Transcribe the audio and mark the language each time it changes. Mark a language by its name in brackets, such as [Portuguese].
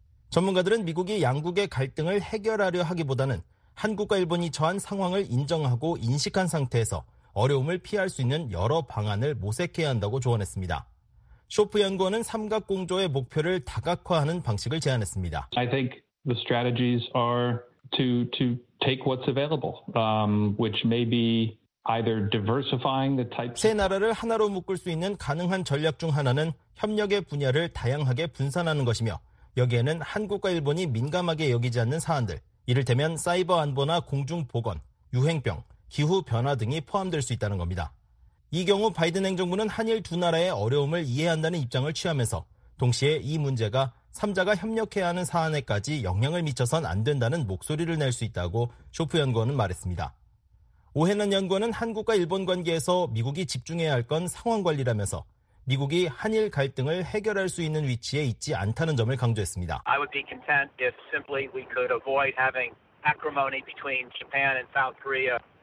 [Korean] 전문가들은 미국이 양국의 갈등을 해결하려 하기보다는 한국과 일본이 처한 상황을 인정하고 인식한 상태에서 어려움을 피할 수 있는 여러 방안을 모색해야 한다고 조언했습니다. 쇼프 연구원은 삼각공조의 목표를 다각화하는 방식을 제안했습니다. [English] I think the strategies are to take what's available, which may be either diversifying the types. [Korean] 세 나라를 하나로 묶을 수 있는 가능한 전략 중 하나는 협력의 분야를 다양하게 분산하는 것이며 여기에는 한국과 일본이 민감하게 여기지 않는 사안들, 이를테면 사이버 안보나 공중 보건, 유행병, 기후 변화 등이 포함될 수 있다는 겁니다. 이 경우 바이든 행정부는 한일 두 나라의 어려움을 이해한다는 입장을 취하면서 동시에 이 문제가 3자가 협력해야 하는 사안에까지 영향을 미쳐선 안 된다는 목소리를 낼 수 있다고 쇼프 연구원은 말했습니다. 오헨런 연구원은 한국과 일본 관계에서 미국이 집중해야 할 건 상황 관리라면서 미국이 한일 갈등을 해결할 수 있는 위치에 있지 않다는 점을 강조했습니다. [English] I would be content if simply we could avoid having acrimony between Japan and South Korea.